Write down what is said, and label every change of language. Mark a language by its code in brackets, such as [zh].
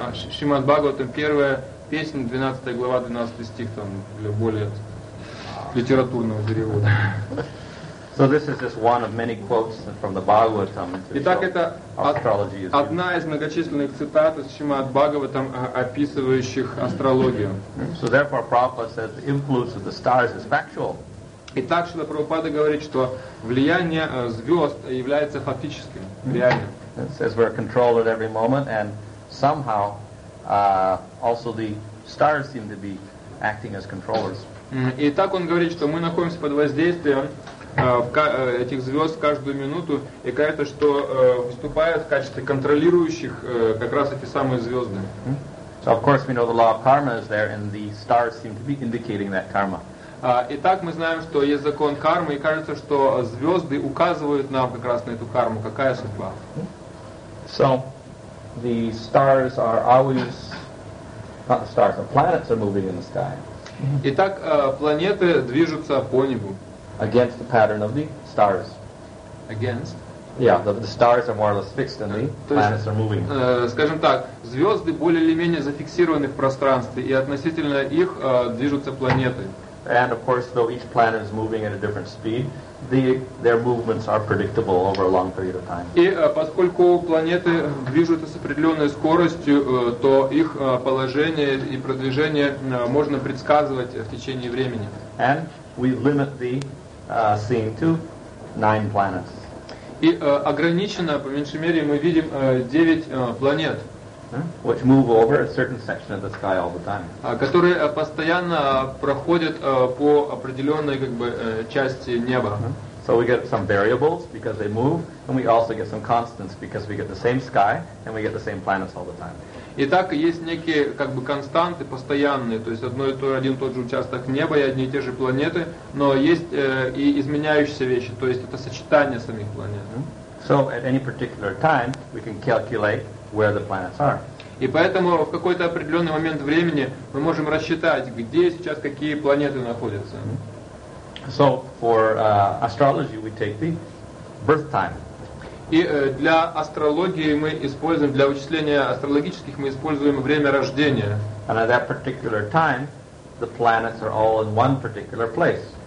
[ru] Шримад Бхагават, там первая песня, 12 глава, 12 стих, там для более литературного перевода. [en] So this is just one of many quotes from the Bhagavatam. [ru] Итак, это одна из многочисленных цитат из Шримад Бхагаватам, описывающих астрологию. [en] So therefore, Prabhupada says the influence of the stars is factual. [ru] Итак, Шрила Прабхупада говорит, что влияние звезд является фактическим, реальным. [en] It says we're controlled at every moment, and somehow also the stars seem to be acting as controllers. [ru] И так он говорит, что мы находимся под воздействием этих звезд каждую минуту, и кажется, что выступают в качестве контролирующих как раз эти самые звезды. [en] So of course we know the law of karma is there, and the stars seem to be indicating that karma. [ru] Итак, мы знаем, что есть закон кармы, и кажется, что звезды указывают нам как раз на эту карму. Какая судьба? [en] So, the stars are always, not the stars, the planets are moving in the sky. [ru] Итак, планеты движутся по небу. [en] Against the pattern of the stars. Against? Yeah, the stars are more or less fixed, and the planets are moving. [ru] Скажем так, звезды более или менее зафиксированы в пространстве, и относительно их движутся планеты. [en] And of course, though each planet is moving at a different speed, their movements are predictable over a long period of time. [ru] И поскольку планеты движутся с определенной скоростью, то их положение и продвижение можно предсказывать в течение времени. [en] And we limit the scene to 9 planets. [ru] И ограничено, по меньшей мере, мы видим 9 планет. [en] Which move over a certain section of the sky all the time. [ru] Которые постоянно проходят по определенной как бы части неба. [en] So we get some variables because they move, and we also get some constants because we get the same sky and we get the same planets all the time. [ru] Итак, есть некие как бы константы постоянные, то есть один и тот же участок неба и одни и те же планеты, но есть и изменяющиеся вещи, то есть это сочетание самих планет. [en] So at any particular time we can calculate where the planets are. [ru] И поэтому в какой-то определенный момент времени мы можем рассчитать, где сейчас какие планеты находятся. [en] So for astrology we take the birth time. [ru] И для астрологии мы используем, для вычисления астрологических мы используем время рождения. [en] And at that particular time the planets are all in one particular place.